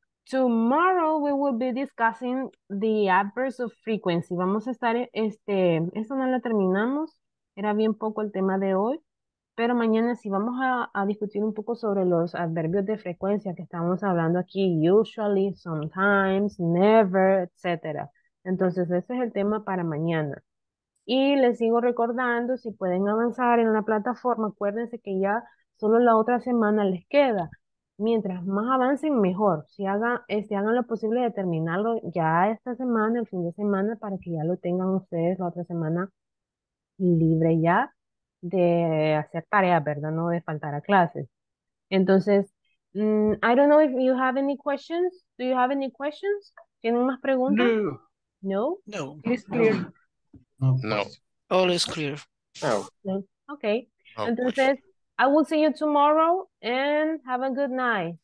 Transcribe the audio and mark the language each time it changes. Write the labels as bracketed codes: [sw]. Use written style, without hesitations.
[en] Tomorrow we will be discussing the adverbs of frequency. [es] Vamos a estar, esto no lo terminamos, era bien poco el tema de hoy, pero mañana sí vamos a discutir un poco sobre los adverbios de frecuencia que estamos hablando aquí, [en] usually, sometimes, never, [es] etc. Entonces ese es el tema para mañana. Y les sigo recordando, si pueden avanzar en la plataforma, acuérdense que ya solo la otra semana les queda. Mientras más avancen, mejor. Si hagan lo posible de terminarlo ya esta semana, el fin de semana, para que ya lo tengan ustedes la otra semana libre ya. de hacer tareas, ¿verdad? No de faltar a clases. Entonces, [en] I don't know if you have any questions. Do you have any questions? [es] ¿Tienen más preguntas? [en] No. No? No. It is clear. No. All is clear. Oh. Okay. [es] Entonces, [en] I will see you tomorrow and have a good night.